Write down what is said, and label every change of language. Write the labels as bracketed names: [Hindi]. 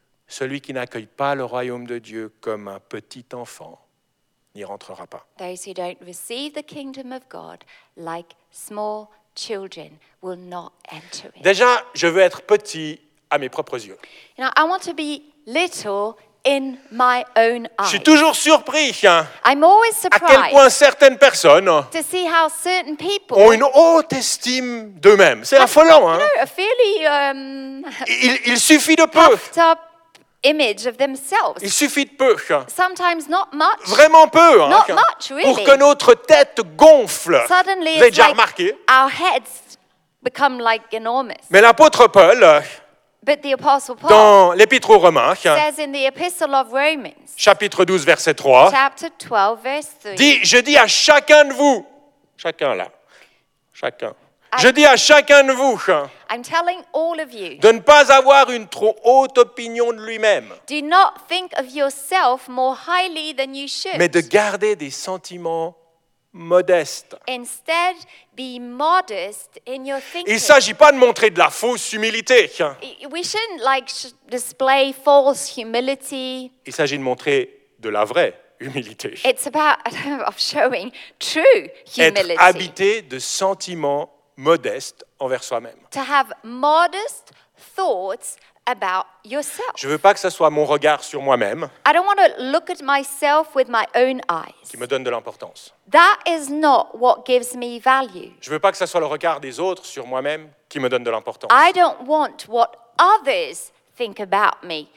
[French] Celui qui n'accueille pas le royaume de Dieu comme un petit enfant n'y rentrera pas. [English] Those who don't receive the kingdom of God like small children will not enter it. [French] Déjà, je veux être petit à mes propres yeux. [English] You know, I want to be little in my own eyes. [French] Je suis toujours surpris [English] I'm always surprised [French] à quel point certaines personnes [English] to see how certain people [French] ont une haute estime d'eux-mêmes. C'est affolant. Hein. [English] You know, fairly, [French] il suffit de peu. [English] Puffed up image of themselves. [French] Il suffit de peu. [English] Sometimes not much. [French] Vraiment peu. Hein, [English] not much, really. [French] Pour que notre tête gonfle. [English] Suddenly, [French] Vous avez [English] it's [French] déjà [English] like [French] remarqué. [English] Our heads become like enormous. [French] Mais l'apôtre Paul [English] But the Apostle Paul [French] dans l'Épître aux Romains, [English] says in the Epistle of Romans, [French] chapitre 12, verset 3, [English] chapter 12, verse 3, [French] dit, je dis à chacun de vous, chacun là, chacun, je dis à chacun de vous, [English] I'm telling all of you, [French] de ne pas avoir une trop haute opinion de lui-même, [English] do not think of yourself more highly than you should, [French] mais de garder des sentiments modeste. [English] Instead, be modest in your thinking. [French] Il ne s'agit pas de montrer de la fausse humilité. [English] We shouldn't like display false humility. [French] Il s'agit de montrer de la vraie humilité. [English] It's about showing true humility. [French] Être habité de sentiments modestes envers soi-même. [English] To have modest thoughts about yourself. [French] Je veux pas que ça soit mon regard sur moi-même. [English] I don't want to look at myself with my own eyes. [French] Qui me donne de l'importance. [English] That is not what gives me value. [French] Je veux pas que ça soit le regard des autres sur moi-même qui me donne de l'importance. [English] I don't want what others think about me